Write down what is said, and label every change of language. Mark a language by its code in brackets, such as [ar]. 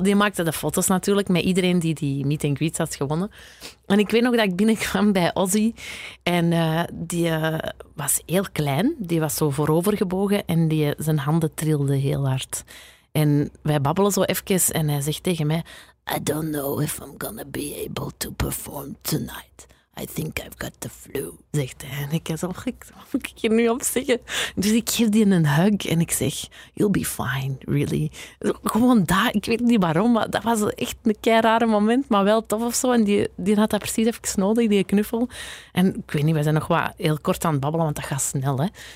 [nl] Die maakte de foto's natuurlijk met iedereen die die meet and greets had gewonnen. En ik weet nog dat ik binnenkwam bij Ozzy. En die was heel klein. Die was zo voorovergebogen en zijn handen trilden heel hard. En wij babbelen zo even en hij zegt tegen mij... [en] I don't know if I'm gonna be able to perform tonight. I think I've got the flu, [nl] zegt hij. En ik zeg, wat moet ik hier nu op zeggen? Dus ik geef die een hug en ik zeg, [en] you'll be fine, really. [nl] Gewoon daar, ik weet niet waarom, maar dat was echt een kei rare moment, maar wel tof of zo. En die had dat precies even nodig, die knuffel. En ik weet niet, we zijn nog wat heel kort aan het babbelen, want dat gaat snel, hè.